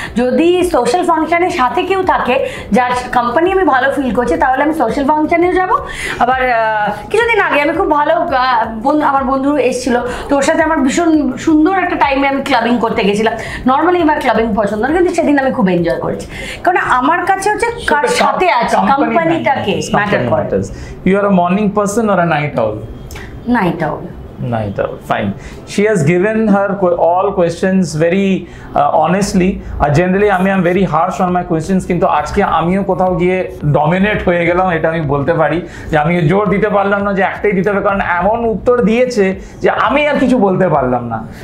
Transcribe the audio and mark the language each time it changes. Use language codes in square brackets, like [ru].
[bn] যদি সোশ্যাল ফাংশনে সাথে কেউ থাকে যার কোম্পানি আমি ভালো ফিল করছি, তাহলে আমি সোশ্যাল ফাংশনেও যাব। আবার কিছুদিন আগে আমি খুব ভালো আমার বন্ধু এসেছিলো, তো ওর সাথে আমার ভীষণ সুন্দর একটা টাইমে আমি ক্লাবিং করতে গেছিলাম। নর্মালি আমার ক্লাবিং পছন্দ না, কিন্তু সেদিন আমি খুব এনজয় করেছি, কারণ আমার কাছে হচ্ছে কার সাথে আছে কোম্পানিটাকে ম্যাটার করে। [en] You are a morning person or a night owl? Night owl. Night owl, fine. She has given her all questions very honestly. Generally, I am very harsh on my questions. [bn] কিন্তু আজকে আমিও কোথাও গিয়ে dominate হয়ে গেলাম, এটা আমি বলতে পারি যে আমি জোর দিতে পারলাম না যে একটাই দিতে হবে, কারণ এমন উত্তর দিয়েছে যে আমি আর কিছু বলতে পারলাম না।